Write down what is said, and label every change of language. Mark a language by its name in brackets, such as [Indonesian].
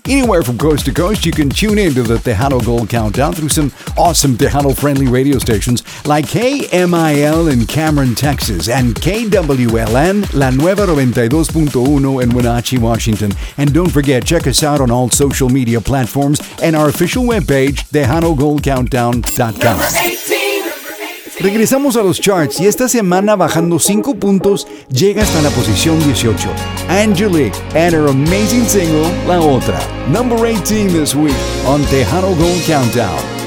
[English] Anywhere from coast to coast, you can tune in to the Tejano Gold Countdown through some awesome Tejano-friendly radio stations like KMIL in Cameron, Texas, and KWLN La Nueva 92.1 in Wenatchee, Washington. And don't forget, check us out on all social media platforms and our official webpage, TejanoGoldCountdown.com. [Spanish] Regresamos a los charts y esta semana bajando 5 puntos llega hasta la posición 18. [English] Angelique and her amazing single La Otra. Number 18 this week on Tejano Gold Countdown.